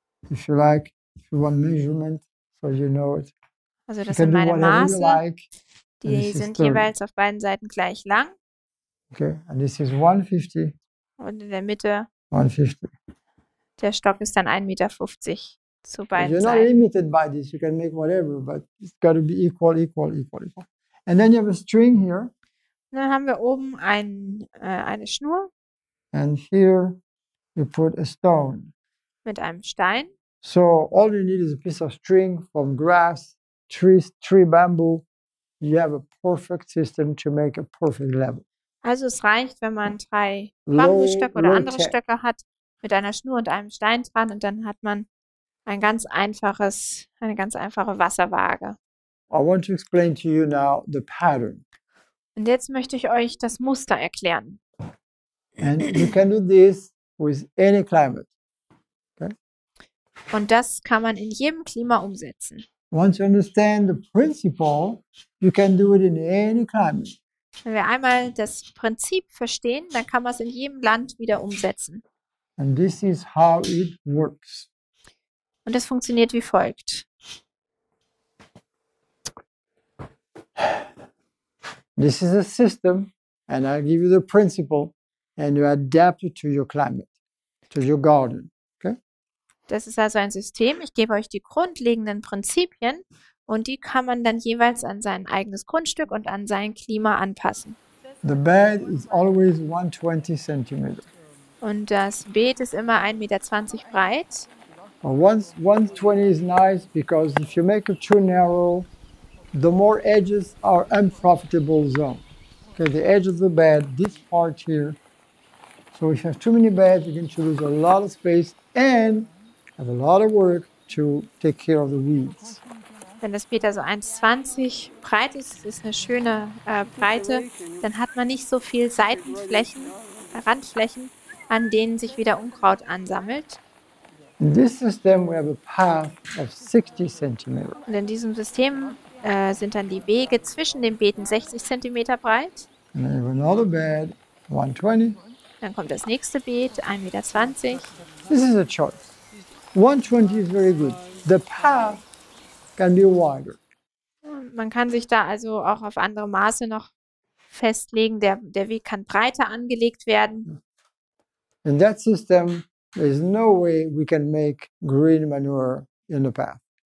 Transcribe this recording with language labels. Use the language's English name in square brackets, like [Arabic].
[English] If you like, if you want measurement, so you know it. [German] Also das sind meine Maße. [English] Like. [German] Die sind jeweils auf beiden Seiten gleich lang. [English] Okay, and this is 150. [German] Und in der Mitte. [English] 150. [German] Der Stock ist dann 1,50 Meter zu beiden Seiten. [English] You're not limited by this. You can make whatever, but it's got to be equal. And then you have a string here. [German] Und dann haben wir oben eine Schnur. [English] And here you put a stone. [German] Mit einem Stein. [English] So all you need is a piece of string from grass. Tree bamboo, you have a perfect system to make a perfect level. [German] Also es reicht, wenn man drei Bambusstöcke oder andere Stöcke hat mit einer Schnur und einem Stein dran und dann hat man ein ganz einfaches, eine ganz einfache Wasserwaage. [English] I want to explain to you now the pattern. [German] Und jetzt möchte ich euch das Muster erklären. [English] And you can do this with any climate. Okay? [German] Und das kann man in jedem Klima umsetzen. [English] Once you understand the principle, you can do it in any climate. [German] Wenn wir einmal das Prinzip verstehen, dann kann man es in jedem Land wieder umsetzen. [English] And this is how it works. [German] Und es funktioniert wie folgt. [English] This is a system, and I give you the principle, and you adapt it to your climate, to your garden. [German] Das ist also ein System. Ich gebe euch die grundlegenden Prinzipien und die kann man dann jeweils an sein eigenes Grundstück und an sein Klima anpassen. [English] The bed is always 120 centimeters. [German] Und das Beet ist immer 1,20 Meter breit. [English] Well, 120 is nice because if you make it too narrow, the more edges are unprofitable zone. Okay, the edge of the bed, this part here. So if you have too many beds, you're going to lose a lot of space and have a lot of work to take care of the weeds. [German] Wenn das Beet also 1,20 breit ist, ist eine schöne Breite, dann hat man nicht so viel Seitenflächen, Randflächen, an denen sich wieder Unkraut ansammelt. [English] In this system we have a path of 60 centimeters. [German] Und in diesem System sind dann die Wege zwischen den Beeten 60 cm breit. [English] And then you have another bed, 120. [German] Dann kommt das nächste Beet, 1,20 Meter. [English] This is a choice. 120 is very good. The path can be wider. [German] Man kann sich da also auch auf andere Maße noch festlegen. Der Weg kann breiter angelegt werden. [English] In that system, there is no way we can make green manure in the path.